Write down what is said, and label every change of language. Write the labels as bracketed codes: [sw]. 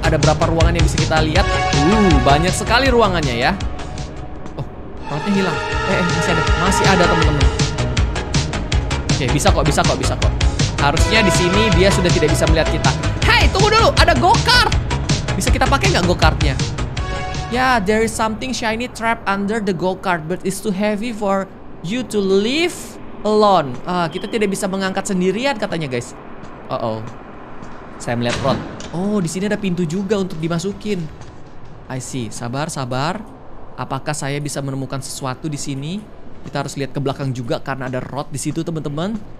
[id] Ada berapa ruangan yang bisa kita lihat? Banyak sekali ruangannya ya. Oh, rodnya hilang. Masih ada teman-teman. Oke, bisa kok. Harusnya di sini dia sudah tidak bisa melihat kita. Hey, tunggu dulu, ada go-kart. Bisa kita pakai nggak go-kartnya? [en] Yeah, there is something shiny trapped under the go-kart, but it's too heavy for you to leave alone. [id] Kita tidak bisa mengangkat sendirian katanya, guys. Uh-oh. Saya melihat rod. Oh, di sini ada pintu juga untuk dimasukin. [en] I see. [id] Sabar. Apakah saya bisa menemukan sesuatu di sini? Kita harus lihat ke belakang juga karena ada rod di situ, teman-teman.